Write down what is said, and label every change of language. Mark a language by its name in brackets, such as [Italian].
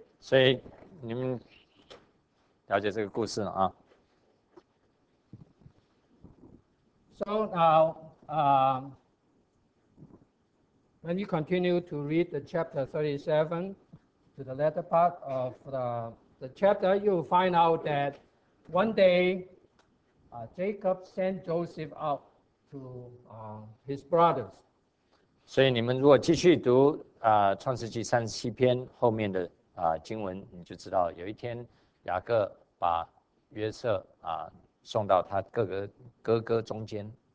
[Chinese] 所以你们了解这个故事了啊? [English] So now, when you continue to read the chapter 37 to the latter part of the chapter, you will find out that one day Jacob sent Joseph out to his brothers. [Chinese] 所以你们如果继续读 创世纪37篇后面的经文，你就知道有一天雅各把约瑟送到他哥哥中间。